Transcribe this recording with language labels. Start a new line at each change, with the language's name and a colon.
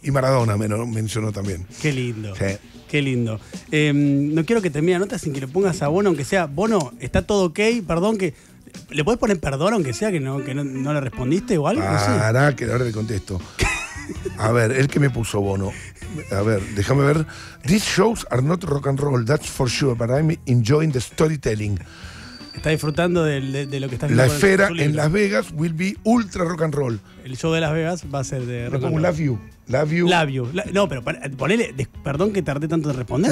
Spanish: Y Maradona me mencionó también. Qué lindo. Sí. Qué lindo. No quiero que termine la nota sin que lo pongas a Bono, aunque sea. Bono, está todo ok, perdón que... ¿Le podés poner perdón, aunque sea que no le respondiste o algo? Para, que ahora le contesto. A ver, el que me puso Bono. A ver, déjame ver.
English: These shows are not rock and roll, that's for sure, but I'm enjoying the storytelling.
Spanish: Está disfrutando de lo que está haciendo. La esfera en
English: Las Vegas will be ultra rock and roll.
Spanish: El show de Las Vegas va a ser de rock and roll.
English: Love you. Love you. Love you.
Spanish: No, pero ponele, perdón que tardé tanto en responder.